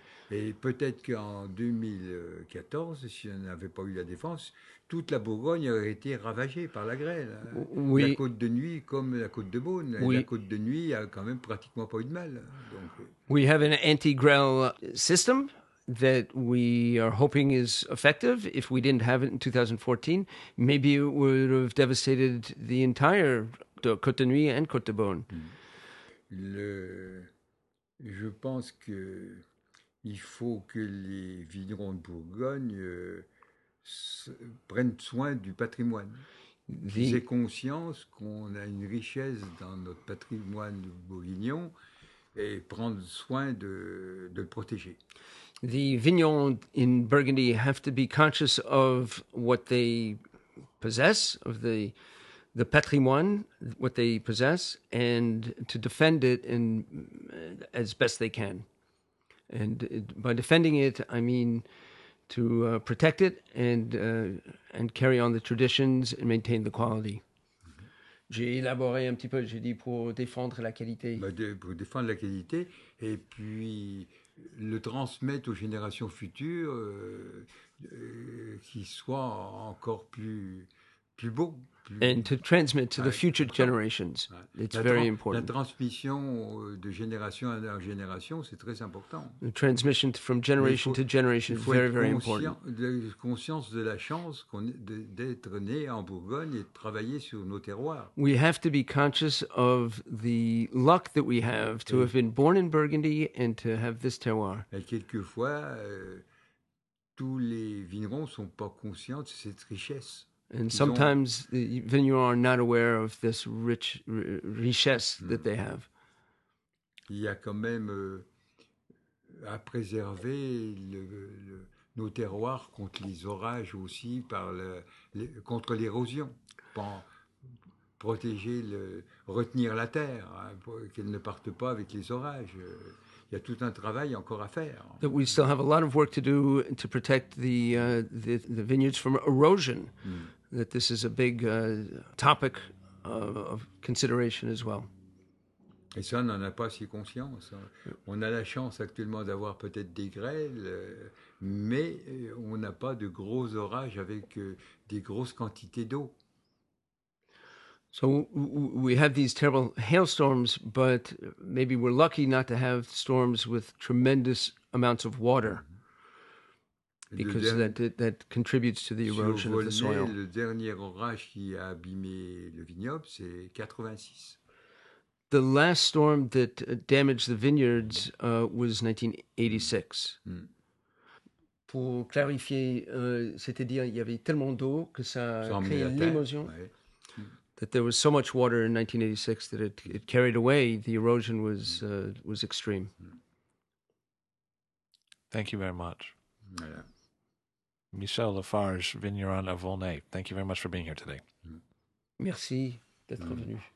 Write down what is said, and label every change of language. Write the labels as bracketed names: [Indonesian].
[French] Et peut-être qu'en 2014, si on n'avait pas eu la défense, toute la Bourgogne aurait été ravagée par la grêle. Oui. La côte de Nuit comme la côte de Beaune. Oui. La côte de Nuit a quand même pratiquement pas eu de mal. Donc, [English] we have an anti-grêle system that we are hoping is effective. If we didn't have it in 2014, maybe it would have devastated the entire Côte de Nuit and Côte de Beaune. [French] Je pense que il faut que les vignerons de Bourgogne prennent soin du patrimoine. Ils aient conscience qu'on a une richesse dans notre patrimoine bourguignon et prendre soin de le protéger. [English] The vignerons in Burgundy have to be conscious of what they possess, of the patrimoine, what they possess, and to defend it in, as best they can. And by defending it, I mean to protect it and carry on the traditions and maintain the quality. [French] J'ai élaboré un petit peu, j'ai dit pour défendre la qualité. Pour défendre la qualité et puis le transmettre aux générations futures qui soit encore plus beau. [English] And to transmit to the future generations. It's very important. [French] La transmission de génération en génération, c'est très important. [English] The transmission from generation to generation is very, very important. [French] La conscience de la chance d'être né en Bourgogne et de travailler sur nos terroirs. [English] We have to be conscious of the luck that we have to have been born in Burgundy and to have this terroir. [French] Et quelquefois, tous les vignerons ne sont pas conscients de cette richesse. [English] And sometimes the vignerons are not aware of this rich richesse that they have. [French] Il y a quand même à préserver nos terroirs contre les orages aussi, contre l'érosion, pour protéger, retenir la terre, qu'elle ne parte pas avec les orages. Il y a tout un travail encore à faire. [English] That we still have a lot of work to do to protect the vineyards from erosion. That this is a big topic of consideration as well. [French] Et ça, on n'en a pas si conscience. On a la chance actuellement d'avoir peut-être des grêles, mais on n'a pas de gros orages avec des grosses quantités d'eau. [English] So we have these terrible hailstorms, but maybe we're lucky not to have storms with tremendous amounts of water. Because that contributes to the erosion of the soil. [French] Le dernier orage qui a abîmé le vignoble, c'est 86. [English] The last storm that damaged the vineyards was 1986. Mm. [French] Pour clarifier, c'était dire il y avait tellement d'eau que ça créait l'émotion. [English] That there was so much water in 1986 that it carried away. The erosion was extreme. Thank you very much. Yeah. Michel Lafarge, vigneron of Aulnay. Thank you very much for being here today. [French] Merci d'être venu.